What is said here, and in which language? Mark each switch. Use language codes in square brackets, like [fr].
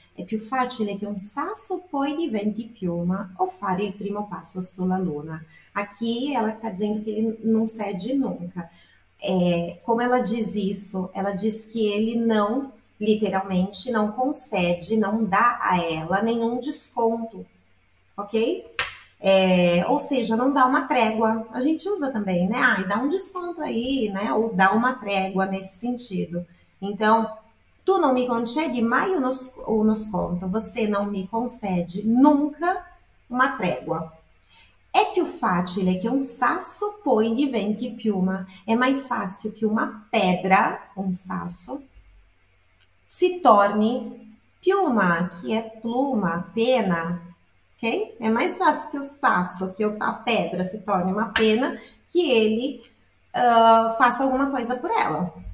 [it] È più facile che un sasso poi diventi piuma o fare il primo passo sulla luna. [pt] Aqui ela tá dizendo que ele não cede nunca. É, como ela diz isso? Ela diz que ele não, literalmente, não concede, não dá a ela nenhum desconto, ok? É, ou seja, não dá uma trégua. A gente usa também, né? Ai, dá um desconto aí, né? Ou dá uma trégua nesse sentido. Então, [it] tu não me concedi mai uno sconto. [pt] Você não me concede nunca uma trégua. [it] É più facile che un sasso poi diventi piuma. [pt] É mais fácil que uma pedra, um sasso, se torne piuma, que é pluma, pena. Okay? É mais fácil que o sasso, que a pedra se torne uma pena, que ele faça alguma coisa por ela.